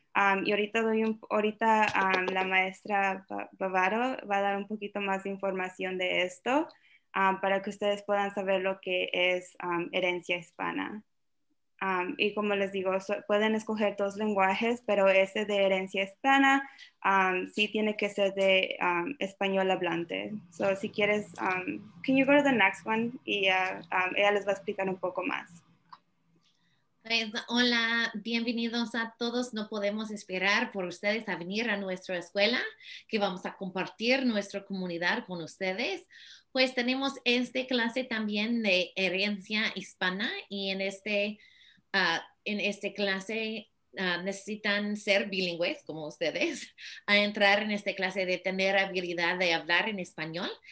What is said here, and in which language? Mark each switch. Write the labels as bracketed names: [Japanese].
[Spanish] Y ahorita la maestra Bavaro va a dar un poquito más de información de esto para que ustedes puedan saber lo que es herencia hispana. Y como les digo, pueden escoger dos lenguajes, pero ese de herencia hispana sí tiene que ser de español hablante. [English] So, [Spanish] si quieres, [English] can you go to the next one? [Spanish] Y ella les va a explicar un poco más. Pues, hola, bienvenidos a todos. No podemos esperar por ustedes a venir a nuestra escuela, que vamos a compartir nuestra comunidad con ustedes. Pues tenemos esta clase también de herencia hispana y en esta clase necesitan ser bilingües como ustedes a entrar en esta clase de tener habilidad de hablar en español.